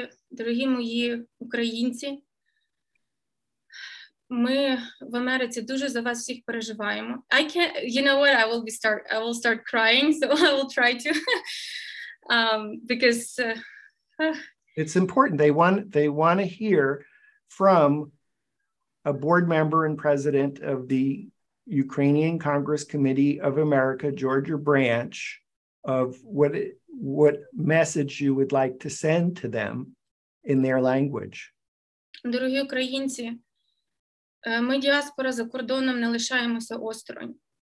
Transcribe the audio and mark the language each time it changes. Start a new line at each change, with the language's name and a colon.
Ukrainian: Дорогі мої українці, ми в Америці дуже за вас всіх переживаємо.
English: I can't, you know what, I will start crying, so I will try to. Because it's important. They want to hear from a board member and president of the Ukrainian Congress Committee of America, Georgia branch, of what message you would like to send to them in their language.
Ukrainian: Дорогі українці, ми, діаспора за кордоном, не лишаємося осторонь.